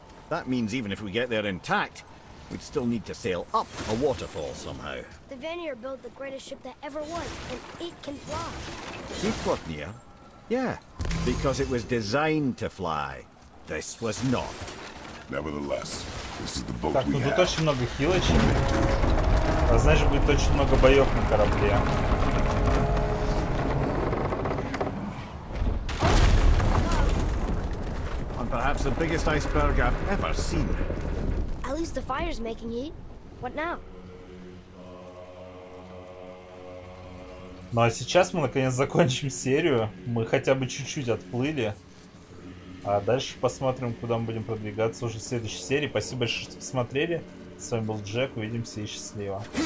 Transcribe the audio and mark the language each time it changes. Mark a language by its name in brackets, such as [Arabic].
[English] That means even if we get there intact, we'd still need to sail up a waterfall somehow. The Vanir built the greatest ship that ever was, and it can fly. Sigfotnir? Yeah, because it was designed to fly. This was not. Nevertheless, this is the boat [Russian] так, [English] we have. [Russian] Так, ну тут очень много хилочек. А значит, будет очень много боев на корабле. [English] Perhaps the biggest iceberg I've ever seen. At least the fire's making heat. What now? [Russian] Ну а сейчас мы наконец закончим серию. Мы хотя бы чуть-чуть отплыли. А дальше посмотрим, куда мы будем продвигаться уже в следующей серии. Спасибо большое, что посмотрели. С вами был Джек. Увидимся и счастливо.